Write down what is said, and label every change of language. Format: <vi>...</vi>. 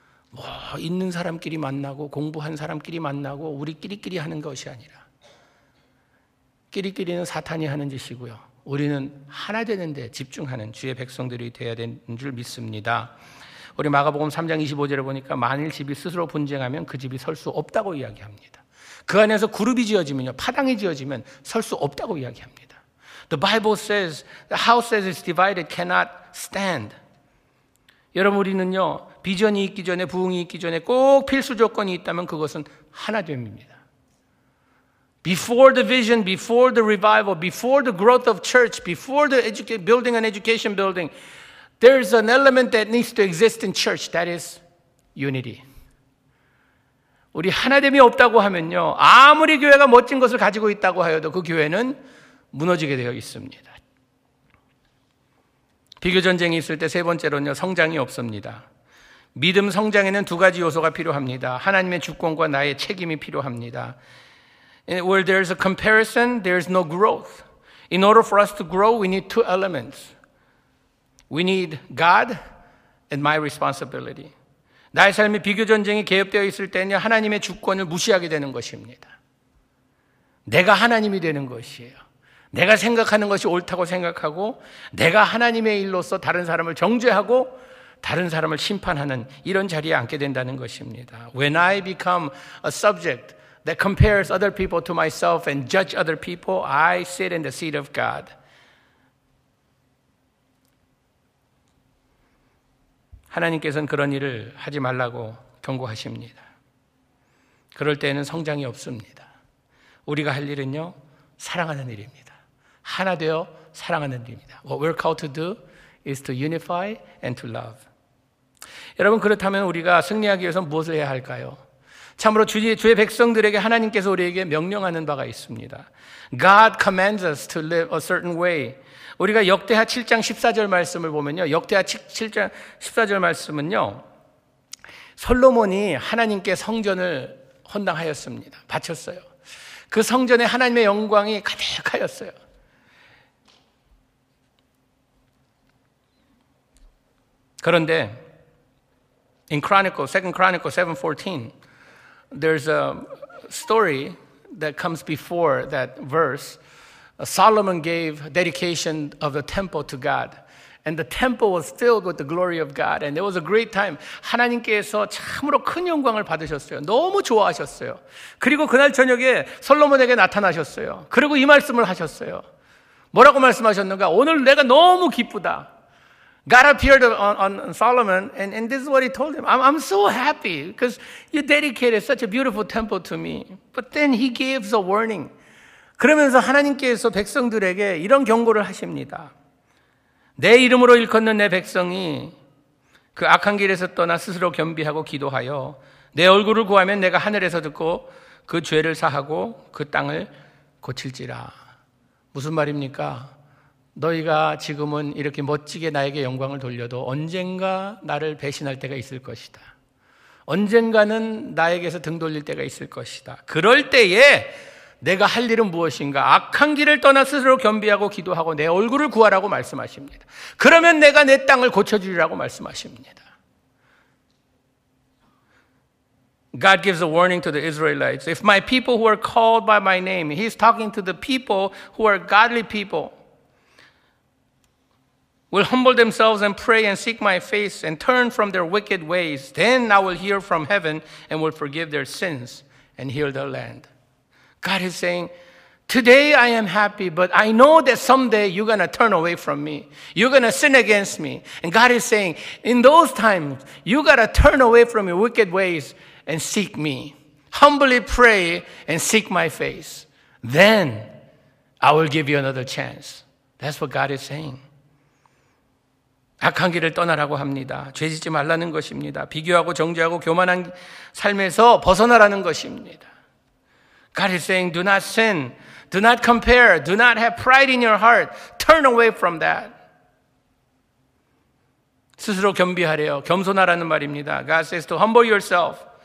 <ko>뭐 있는 사람끼리 만나고 공부한 사람끼리 만나고 우리끼리끼리 하는 것이 아니라 끼리끼리는 사탄이 하는 짓이고요. 우리는 하나 되는 데 집중하는 주의 백성들이 되어야 되는 줄 믿습니다. 우리 마가복음 3장 25절에 보니까 만일 집이 스스로 분쟁하면 그 집이 설 수 없다고 이야기합니다. 그 안에서 그룹이 지어지면요, 파당이 지어지면 설 수 없다고 이야기합니다.</ko> <en>The Bible says the house that is divided cannot stand.</en> <ko>여러분 우리는요 비전이 있기 전에 부흥이 있기 전에 꼭 필수 조건이 있다면 그것은 하나됨입니다.</ko> <en>Before the vision, before the revival, before the growth of church, before the building an education building, there is an element that needs to exist in church. That is unity.</en> <ko>우리 하나됨이 없다고 하면요 아무리 교회가 멋진 것을 가지고 있다고 하여도 그 교회는 무너지게 되어 있습니다. 비교 전쟁이 있을 때 세 번째로는요 성장이 없습니다. 믿음 성장에는 두 가지 요소가 필요합니다. 하나님의 주권과 나의 책임이 필요합니다.</ko> <en>Where there is a comparison, there is no growth. In order for us to grow, we need two elements. We need God and my responsibility.</en> <ko>나의 삶이 비교 전쟁이 개입되어 있을 때는요 하나님의 주권을 무시하게 되는 것입니다. 내가 하나님이 되는 것이에요. 내가 생각하는 것이 옳다고 생각하고 내가 하나님의 일로서 다른 사람을 정죄하고 다른 사람을 심판하는 이런 자리에 앉게 된다는 것입니다.</ko> <en>When I become a subject that compares other people to myself and judge other people, I sit in the seat of God.</en> <ko>하나님께서는 그런 일을 하지 말라고 경고하십니다. 그럴 때에는 성장이 없습니다. 우리가 할 일은요 사랑하는 일입니다. 하나 되어 사랑하는 일입니다.</ko> <en>What we're called to do is to unify and to love.</en> <ko>여러분 그렇다면 우리가 승리하기 위해서 무엇을 해야 할까요? 참으로 주의 백성들에게 하나님께서 우리에게 명령하는 바가 있습니다.</ko> <en>God commands us to live a certain way.</en> <ko>우리가 역대하 7장 14절 말씀을 보면요. 역대하 7장 14절 말씀은요. 솔로몬이 하나님께 성전을 헌당하였습니다. 바쳤어요. 그 성전에 하나님의 영광이 가득하였어요. 그런데</ko> <en>in Chronicles, 2 Chronicles 7:14, there's a story that comes before that verse. Solomon gave dedication of the temple to God. And the temple was filled with the glory of God. And there was a great time.</en> <ko>하나님께서 참으로 큰 영광을 받으셨어요. 너무 좋아하셨어요. 그리고 그날 저녁에 솔로몬에게 나타나셨어요. 그리고 이 말씀을 하셨어요. 뭐라고 말씀하셨는가? 오늘 내가 너무 기쁘다.</ko> <en>God appeared on Solomon, and this is what he told him. I'm so happy because you dedicated such a beautiful temple to me. But then he gives a warning.</en> <ko>그러면서 하나님께서 백성들에게 이런 경고를 하십니다. 내 이름으로 일컫는 내 백성이 그 악한 길에서 떠나 스스로 겸비하고 기도하여 내 얼굴을 구하면 내가 하늘에서 듣고 그 죄를 사하고 그 땅을 고칠지라. 무슨 말입니까? 너희가 지금은 이렇게 멋지게 나에게 영광을 돌려도 언젠가 나를 배신할 때가 있을 것이다. 언젠가는 나에게서 등 돌릴 때가 있을 것이다. 그럴 때에 내가 할 일은 무엇인가? 악한 길을 떠나 스스로 겸비하고 기도하고 내 얼굴을 구하라고 말씀하십니다. 그러면 내가 내 땅을 고쳐주리라고 말씀하십니다.</ko> <en>God gives a warning to the Israelites. If my people who are called by my name, he's talking to the people who are godly people, will humble themselves and pray and seek my face and turn from their wicked ways. Then I will hear from heaven and will forgive their sins and heal their land. God is saying, today I am happy, but I know that someday you're going to turn away from me. You're going to sin against me. And God is saying, in those times, you got to turn away from your wicked ways and seek me. Humbly pray and seek my face. Then I will give you another chance. That's what God is saying.</en> <ko>악한 길을 떠나라고 합니다. 죄짓지 말라는 것입니다. 비교하고 정죄하고 교만한 삶에서 벗어나라는 것입니다.</ko> <en>God is saying, do not sin, do not compare, do not have pride in your heart. Turn away from that.</en> <ko>스스로 겸비하래요. 겸손하라는 말입니다.</ko> <en>God says to humble yourself.</en>